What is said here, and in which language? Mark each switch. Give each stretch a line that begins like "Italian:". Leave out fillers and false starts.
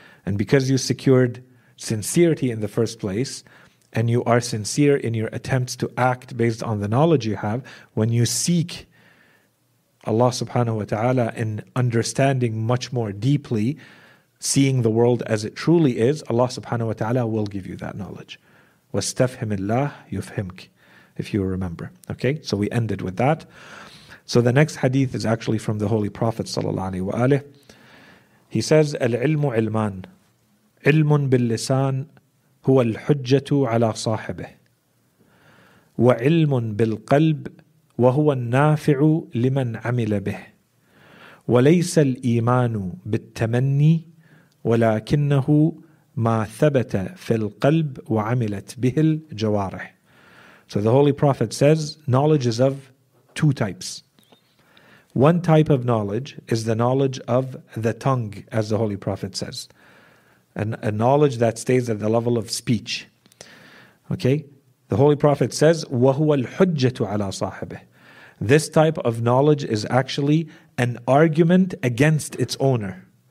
English: And because you secured sincerity in the first place, and you are sincere in your attempts to act based on the knowledge you have, when you seek Allah subhanahu wa ta'ala in understanding much more deeply, seeing the world as it truly is, Allah subhanahu wa ta'ala will give you that knowledge.
Arabic: وَاسْتَفْهِمِ اللَّهِ يُفْهِمْكِ
English: if you remember. Okay, so we ended with that. So the next hadith is actually from the Holy Prophet sallallahu alaihi wa alihi. He says,
Arabic: "العلم علمان علم باللسان هو الحجة على صاحبه وعلم بالقلب وهو النافع لمن عمل به وليس الإيمان بالتمني ولكنه ما ثبت في القلب وعملت به الجوارح."
English: So the Holy Prophet says, knowledge is of two types. One type of knowledge is the knowledge of the tongue, as the Holy Prophet says. A knowledge that stays at the level of speech. Okay? The Holy Prophet says,
Arabic: وَهُوَ الْحُجَّةُ عَلَىٰ صَاحِبِهِ.
English: This type of knowledge is actually an argument against its owner.